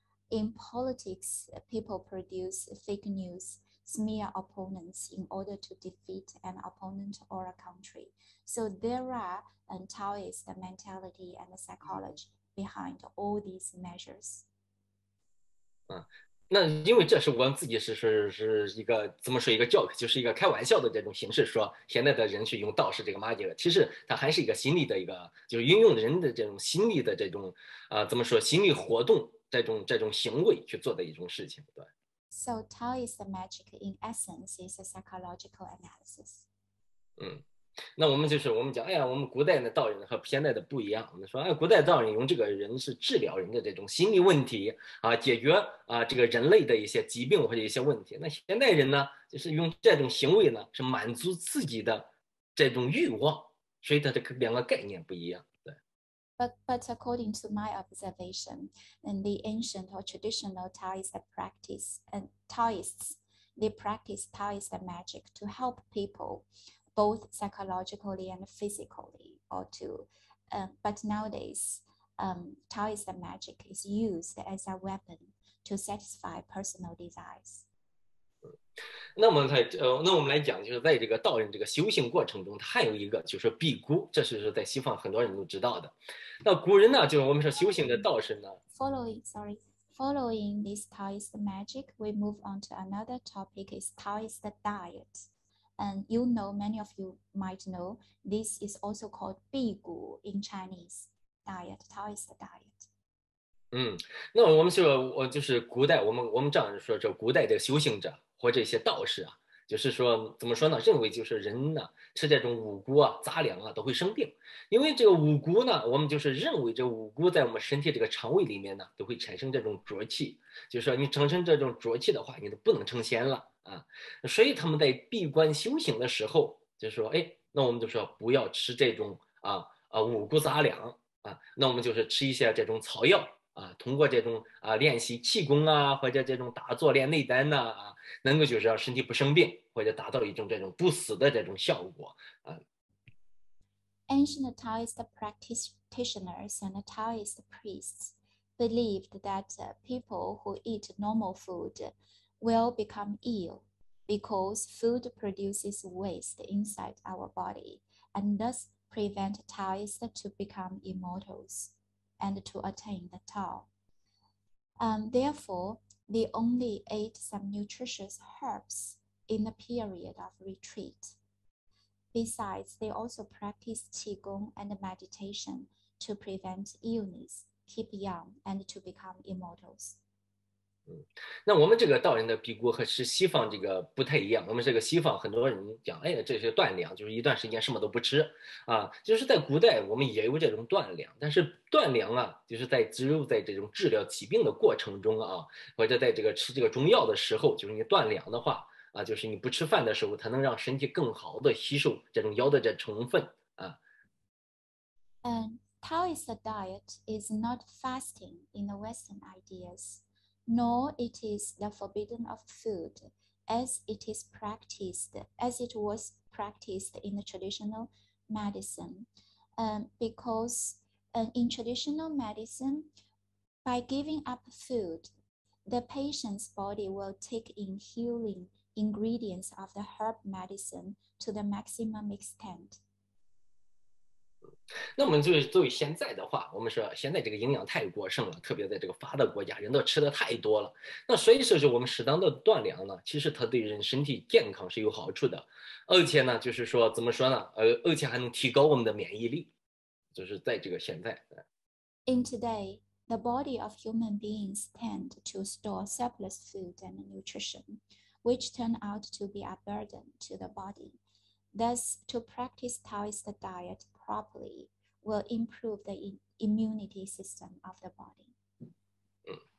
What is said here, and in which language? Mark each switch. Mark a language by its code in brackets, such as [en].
[en] In politics, people produce fake news, smear opponents in order to defeat an opponent or a country. So there are Taoist mentality and psychology behind all these measures. [zh] 那因为这是我们自己是一个怎么说一个 joke， 就是一个开玩笑的这种形式说，现在的人去用道士这个 magic， 其实它还是一个心理的一个，就是运用人的这种心理的这种怎么说心理活动这种行为去做的一种事情，对。 [en] So Taoist magic in essence is a psychological analysis. [zh] 嗯，那我们就是我们讲，哎呀，我们古代的道人和现代的不一样。我们说，哎，古代道人用这个人是治疗人的这种心理问题啊，解决啊这个人类的一些疾病或者一些问题。那现代人呢，就是用这种行为呢，是满足自己的这种欲望，所以它的两个概念不一样。 [en] But according to my observation, in the ancient or traditional Taoist practice, and Taoists, they practice Taoist magic to help people, both psychologically and physically, or to, but nowadays, Taoist magic is used as a weapon to satisfy personal desires. [zh] 那我们来讲，就是在这个道人这个修行过程中，他有一个就是辟谷，这是在西方很多人都知道的。那古人呢，就是我们说修行的道士呢。 [en] Following this Taoist magic, we move on to another topic is Taoist diet. And you know, many of you might know, this is also called 辟谷 in Chinese diet, Taoist diet. [zh] 嗯，那我们说，我就是古代，我们这样说，这古代的修行者或者一些道士啊，就是说怎么说呢，认为就是人呢吃这种五谷啊杂粮啊都会生病，因为这个五谷呢，我们就是认为这五谷在我们身体这个肠胃里面呢都会产生这种浊气，就是说你产生这种浊气的话你都不能成仙了啊。所以他们在闭关修行的时候就是说，哎，那我们就说不要吃这种五谷杂粮啊，那我们就是吃一些这种草药啊，通过这种练习气功啊，或者这种打坐练内丹呢 啊能够就是让身体不生病，或者达到一种这种不死的这种效果啊。 [en] Ancient Taoist practitioners and Taoist priests believed that people who eat normal food will become ill because food produces waste inside our body and thus prevent Taoists to become immortals and to attain the Tao. Therefore, they only ate some nutritious herbs in the period of retreat. Besides, they also practiced Qigong and meditation to prevent illness, keep young, and to become immortals. [zh] 那我们这个道人的辟谷和是西方这个不太一样，我们这个西方很多人讲，哎，这是断粮，就是一段时间什么都不吃啊。就是在古代我们也有这种断粮，但是断粮啊，就是在只有在这种治疗疾病的过程中啊，或者在这个吃这个中药的时候，就是你断粮的话啊，就是你不吃饭的时候才能让身体更好的吸收这种药的这成分啊。 [en] Taoist diet is not fasting in the Western ideas. Nor it is the forbidden of food as it was practiced in the traditional medicine. Because in traditional medicine, by giving up food, the patient's body will take in healing ingredients of the herb medicine to the maximum extent. [zh] 那我们就是作为现在的话，我们说现在这个营养太过剩了，特别在这个发达国家人都吃的太多了，那所以说就我们适当的断粮呢，其实它对人身体健康是有好处的，而且呢就是说怎么说呢，而且还能提高我们的免疫力，就是在这个现在。 [en] In today, the body of human beings tend to store surplus food and nutrition, which turn out to be a burden to the body. Thus, to practice Taoist dietproperly will improve the immunity system of the body.